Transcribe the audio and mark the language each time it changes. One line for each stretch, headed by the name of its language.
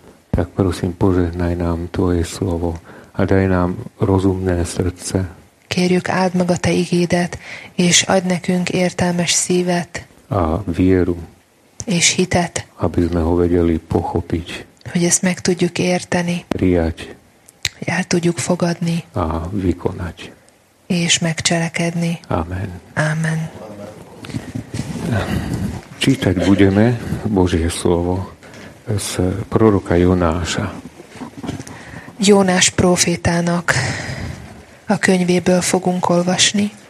Slovak: Tak prosím, požehnaj nám Tvoje slovo a daj nám rozumné srdce.
Hungarian: Kérjük, áld meg a Te igédet, és adj nekünk értelmes szívet.
Slovak: A vieru.
Hungarian: És hitet.
Slovak: Aby sme ho vedeli pochopiť.
Hungarian: Hogy ezt meg tudjuk érteni.
Slovak: Prijať.
Hungarian: Hogy el tudjuk fogadni.
Slovak: A vykonať.
Hungarian: És megcselekedni.
Slovak: Amen.
Hungarian: Amen.
Slovak: Čítať budeme Božie slovo z proroka Jonáša.
Hungarian: Jonáš profétának a könyvéből fogunk olvasni.